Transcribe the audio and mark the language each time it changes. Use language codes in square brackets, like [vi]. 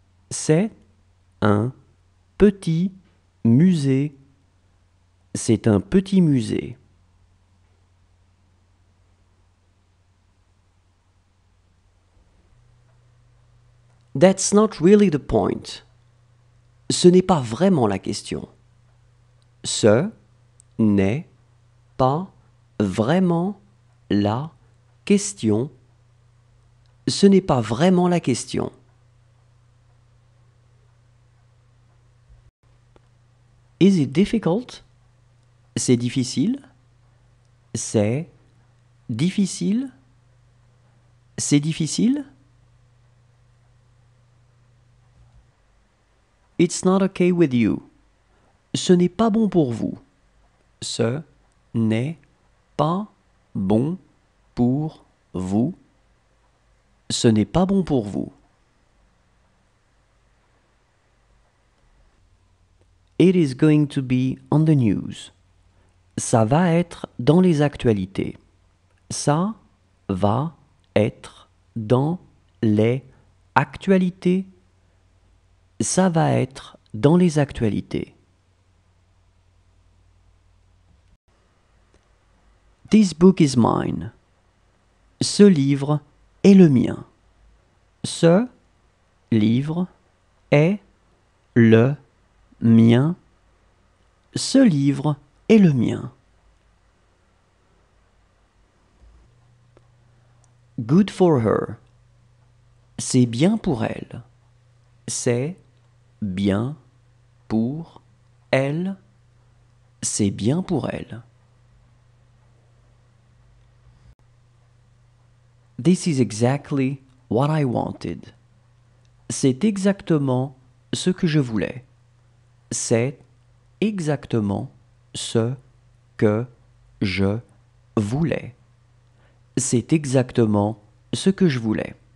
[fr] C'est un petit musée. C'est un petit musée. [en] That's not really the point. [fr] Ce n'est pas vraiment la question. Ce n'est pas vraiment la question. Ce n'est pas vraiment la question. [en] Is it difficult? [fr] C'est difficile? C'est difficile? C'est difficile? [en] It's not okay with you. [fr] Ce n'est pas bon pour vous. Ce n'est pas bon pour vous. Ce n'est pas bon pour vous. [en] It is going to be on the news. [fr] Ça va être dans les actualités. Ça va être dans les actualités. Ça va être dans les actualités. [en] This book is mine. [fr] Ce livre est le mien. Ce livre est le mien. Ce livre est le mien. [en] Good for her. [fr] C'est bien pour elle. C'est bien pour elle. C'est bien pour elle. [en] This is exactly what I wanted. [fr] C'est exactement ce que je voulais. C'est exactement ce que je voulais. C'est exactement ce que je voulais.